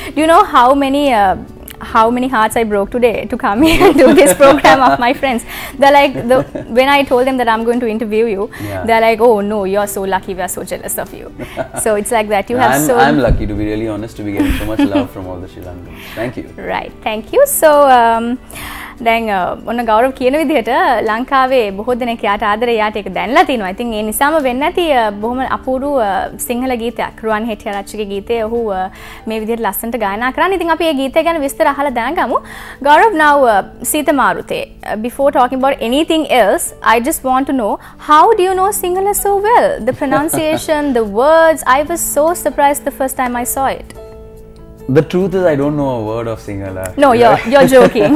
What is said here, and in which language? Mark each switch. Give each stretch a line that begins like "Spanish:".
English: Do you know how many hearts I broke today to come here and do this program of my friends? They're like, when I told them that I'm going to interview you, yeah, they're like, oh no, you're so lucky, we are so jealous of you. So it's like that. I'm lucky, to be really honest, to be getting so much love from all the Sri Lankans. Thank you. Right, thank you.
Sinhala: So දැන් ඔන්න ගෞරව කියන විදිහට ලංකාවේ බොහෝ දෙනෙක් යාට ආදරේ යාට එක දැන්නලා තිනවා. ඉතින් ඒ නිසාම වෙන්න ඇති බොහොම අපූරු සිංහල ගීතයක් රුවන් හෙටිආරච්චිගේ ගීතය ඔහු මේ විදිහට ලස්සනට ගායනා කරන්නේ. ඉතින් අපි ඒ ගීතය ගැන විස්තර අහලා දැනගමු.
English: ගෞරව, now සීත මාරුතේ, before talking about anything else, I just want to know, how do you know Sinhala so well? The pronunciation, the words, I was so surprised the first time I saw it. The truth is, I don't know a word of Sinhala. No, you're joking.